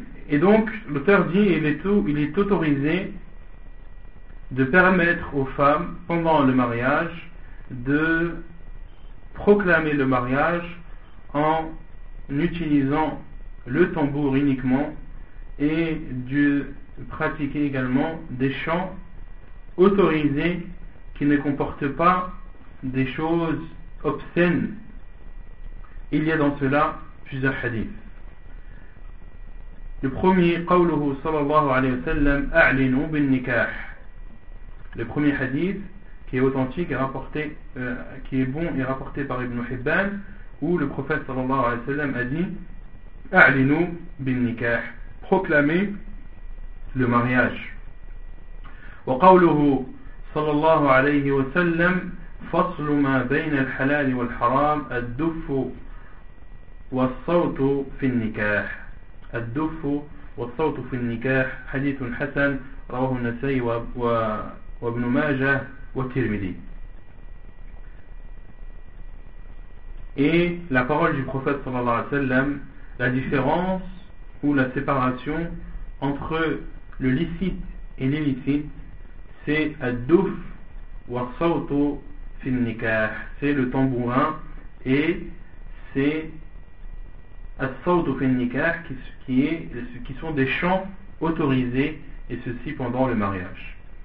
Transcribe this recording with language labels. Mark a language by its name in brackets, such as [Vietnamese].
[French] Et donc, l'auteur dit il est autorisé de permettre aux femmes, pendant le mariage, de proclamer le mariage en utilisant le tambour uniquement et de pratiquer également des chants autorisés qui ne comportent pas des choses obscène. Il y a dans cela plusieurs hadiths. Le premier, [Arabic] قوله صلى الله عليه وسلم أعلنوا بالنكاح. [French] Le premier hadith qui est authentique et rapporté, qui est bon et rapporté par Ibn Hibban, où le prophète [Arabic] صلى الله عليه وسلم [French] a dit [Arabic] أعلنوا بالنكاح. [French] Proclamez le mariage. [Arabic] وقوله صلى الله عليه وسلم فصل ما بين الحلال والحرام الدف والصوت في النكاح الدف والصوت في النكاح حديث حسن رواه النسائي وابن ماجه والترمذي. [French] Et la parole du prophète [Arabic] صلى الله عليه وسلم, [French] la différence ou la séparation entre le licite et l'illicite, c'est [Arabic] الدف والصوت finnikah, [French] c'est le tambourin et c'est [Arabic] as-sawtu finnikah [French] qui sont des chants autorisés et ceci pendant le mariage.